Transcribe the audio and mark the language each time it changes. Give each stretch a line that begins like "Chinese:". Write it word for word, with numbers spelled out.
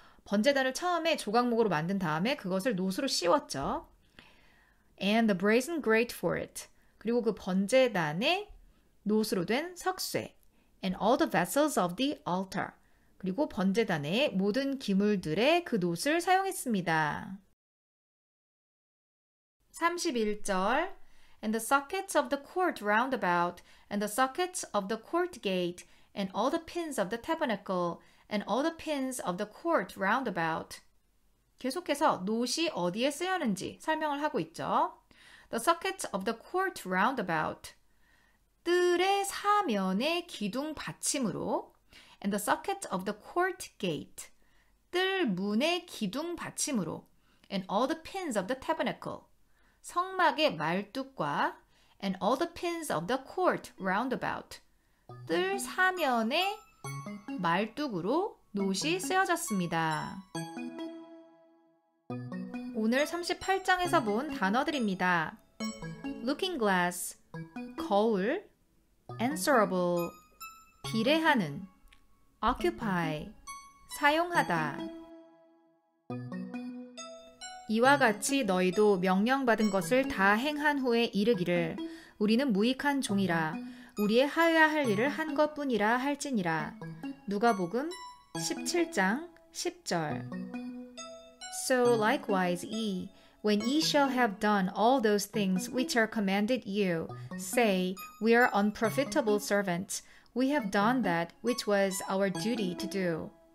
Korean: 번제단을 처음에 조각목으로 만든 다음에 그것을 놋으로 씌웠죠.
English: And the brazen grate for it.
Korean: 그리고 그 번제단에 놋으로 된 석쇠.
English: And all the vessels of the altar.
Korean: 그리고 번제단의 모든 기물들의 그 놋을 사용했습니다. 삼십일 절
English: And the sockets of the court round about, and the sockets of the court gate, and all the pins of the tabernacle, and all the pins of the court round about.
Korean: 계속해서 놋이 어디에 쓰였는지 설명을 하고 있죠.
English: The sockets of the court round about.
Korean: 뜰의 사면의 기둥 받침으로
English: and the sockets of the court gate.
Korean: 뜰 문의 기둥 받침으로
English: and all the pins of the tabernacle.
Korean: 성막의 말뚝과
English: and all the pins of the court roundabout.
Korean: 뜰 사면의 말뚝으로 놋이 쓰여졌습니다. 오늘 삼십팔 장에서 본 단어들입니다.
English: Looking glass, 거울, answerable, 비례하는, occupy, 사용하다.
Korean: 이와 같이 너희도 명령받은 것을 다 행한 후에 이르기를 우리는 무익한 종이라 우리의 하여야 할 일을 한 것뿐이라 할지니라. 누가복음 십칠 장 십 절
English: So likewise ye, when ye shall have done all those things which are commanded you, say, We are unprofitable servants. We have done that which was our duty to do.